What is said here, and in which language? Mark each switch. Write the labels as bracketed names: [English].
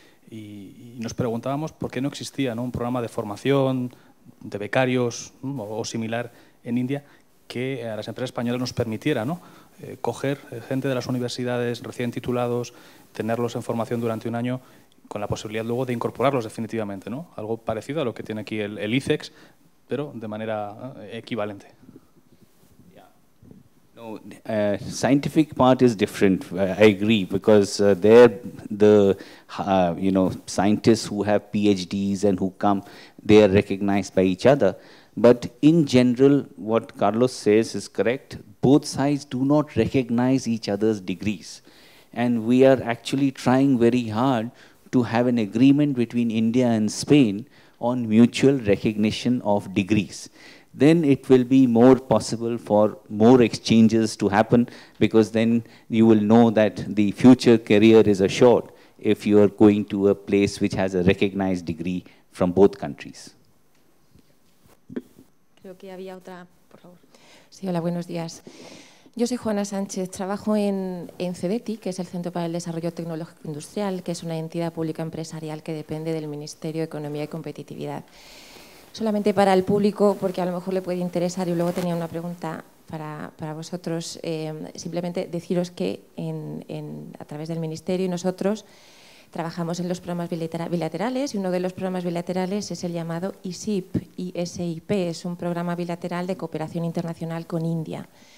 [Spanish] Y nos preguntábamos por qué no existía, ¿no?, un programa de formación, de becarios, ¿no?, o similar en India que a las empresas españolas nos permitiera, ¿no?, coger gente de las universidades recién titulados, tenerlos en formación durante un año con la posibilidad luego de incorporarlos definitivamente, ¿no? Algo parecido a lo que tiene aquí el ICEX, pero de manera equivalente. [English] No, scientific part is different. I agree, because there the scientists who have PhDs and who come, they are recognized by each other. But in general, what Carlos says is correct. Both sides do not recognize each other's degrees, and we are actually trying very hard to have an agreement between India and Spain on mutual recognition of degrees. Then it will be more possible for more exchanges to happen, because then you will know that the future career is assured if you are going to a place which has a recognized degree from both countries. [Spanish] Creo que había otra, por favor. Sí, hola, buenos días. Yo soy Juana Sánchez, trabajo en CEDETI, que es el Centro para el Desarrollo Tecnológico Industrial, que es una entidad pública empresarial que depende del Ministerio de Economía y Competitividad. Solamente para el público, porque a lo mejor le puede interesar, y luego tenía una pregunta para vosotros, simplemente deciros que a través del Ministerio y nosotros trabajamos en los programas bilaterales, y uno de los programas bilaterales es el llamado ISIP, ISIP, es un programa bilateral de cooperación internacional con India.